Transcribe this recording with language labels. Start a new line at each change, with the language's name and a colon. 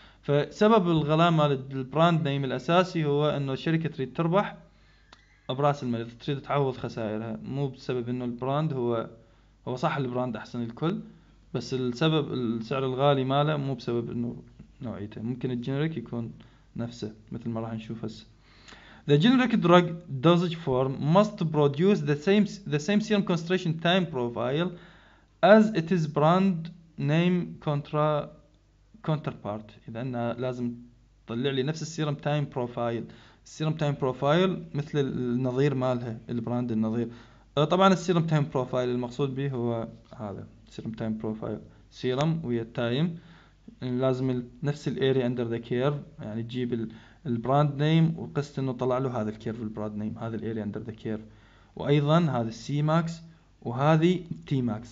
Arabic: فسبب الغلاء مال البراند نيم الاساسي هو انه الشركه تريد تربح براس المريض، تريد تعوض خسائرها، مو بسبب انه البراند هو صح البراند احسن الكل، بس السبب السعر الغالي ماله مو بسبب انه نوعيته، ممكن الجينريك يكون نفسه مثل ما راح نشوف هسه.
English: The generic drug dosage form must produce the same serum concentration time profile as it is brand name counterpart.
Arabic: إذا أنا لازم طلع لي نفس السيرم تايم بروفايل، السيرم تايم بروفايل مثل النظير مالها البراند النظير. طبعا السيرم تايم بروفايل المقصود به هو هذا سيرم تايم بروفايل، سيرم ويا تايم، لازم نفس الاري اندر ذا كيرف، يعني تجيب البراند نيم وقست انه طلع له هذا الكيرف البراند نيم، هذا الاري اندر ذا كيرف، وايضا هذا السي ماكس وهذه تي ماكس.